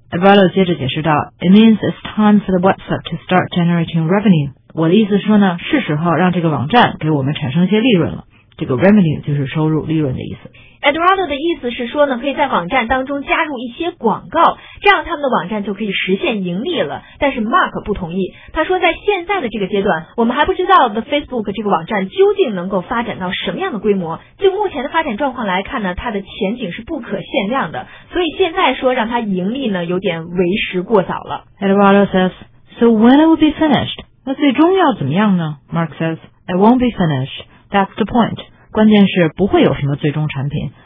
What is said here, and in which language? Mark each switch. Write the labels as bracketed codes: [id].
[zh] Eduardo 接着解释道， [en] It means it's time for the website to start generating revenue. [zh] 我的意思说呢，是时候让这个网站给我们产生一些利润了。这个 revenue 就是收入利润的意思。 Eduardo 的意思是说呢，可以在网站当中加入一些广告，这样他们的网站就可以实现盈利了。但是 Mark 不同意，他说在现在的这个阶段，我们还不知道 The Facebook 这个网站究竟能够发展到什么样的规模。就目前的发展状况来看呢，它的前景是不可限量的，所以现在说让它盈利呢，有点为时过早了。 [en] Eduardo says, So when it will be finished? [zh] 那最终要怎么样呢？ [en] Mark says, It won't be finished. That's the point. [zh] 关键是不会有什么最终产品。